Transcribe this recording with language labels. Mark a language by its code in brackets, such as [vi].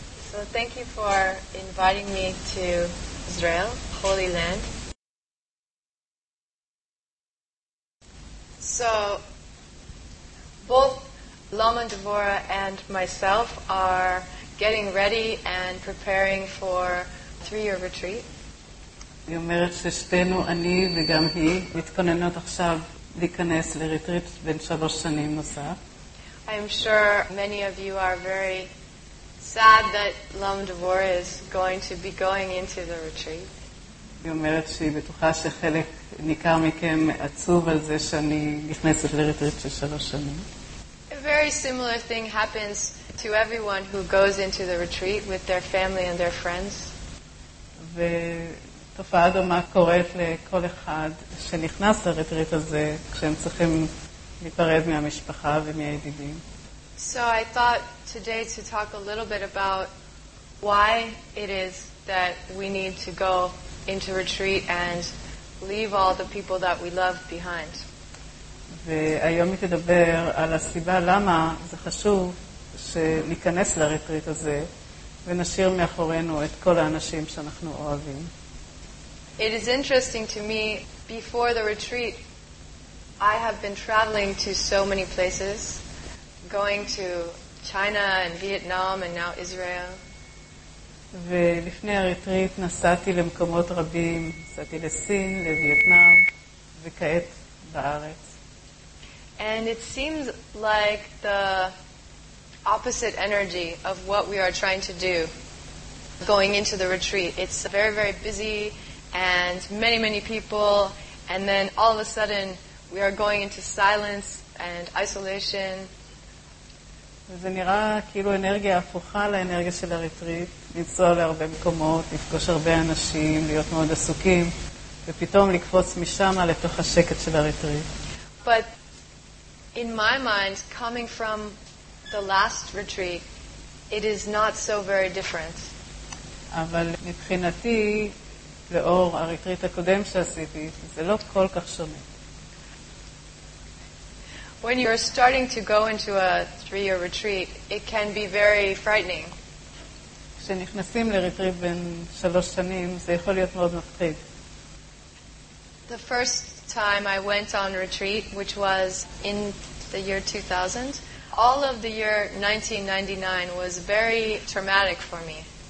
[en] So thank you for inviting me to Israel, Holy Land. So both Lama and Devora and myself are getting ready and preparing for 3-year retreat. [he] היא אומרת ששתינו, אני וגם היא, מתכוננות עכשיו להיכנס לריטריט בין 3 שנים נוסף. [en] I'm sure many of you are very sad that Lama Devora is going to be going into the retreat. [he] היא אומרת שהיא בטוחה שחלק ניכר מכם עצוב על זה שאני נכנסת לריטריט של 3 שנים. [en] A very similar thing happens to everyone who goes into the retreat with their family and their friends. [he] ותופעה דומה קורית לכל אחד שנכנס לריטריט הזה כשהם צריכים להיפרד מהמשפחה ומהידידים. [en] So I thought today to talk a little bit about why it is that we need to go into retreat and leave all the people that we love behind. [he] והיום היא תדבר על הסיבה למה זה חשוב שניכנס לריטריט הזה ונשאיר מאחורינו את כל האנשים שאנחנו אוהבים. [en] It is interesting to me, before the retreat I have been traveling to so many places, going to China and Vietnam and now Israel. [he] ולפני הריטריט נסעתי למקומות רבים, נסעתי לסין, לווייטנאם וכעת בארץ. [en] And it seems like the opposite energy of what we are trying to do going into the retreat. It's very very busy and many many people, and then all of a sudden we are going into silence and isolation. [he] וזה נראה כאילו אנרגיה הפוכה לאנרגיה של הריטריט, לנסוע להרבה מקומות, לפגוש הרבה אנשים, להיות מאוד עסוקים, ופתאום לקפוץ משם לתוך השקט של הריטריט. [en] But in my mind, coming from the last retreat, it is not so very different. [he] אבל מבחינתי, לאור הריטריט הקודם שעשיתי, זה לא כל כך שונה. [en] When you're starting to go into a 3-year retreat, it can be very frightening. [he] כשנכנסים לריטריט בין 3 שנים, זה יכול להיות מאוד מפחיד. [en] The first time I went on retreat, which was in the year 2000, all of the year 1999 was very traumatic for me.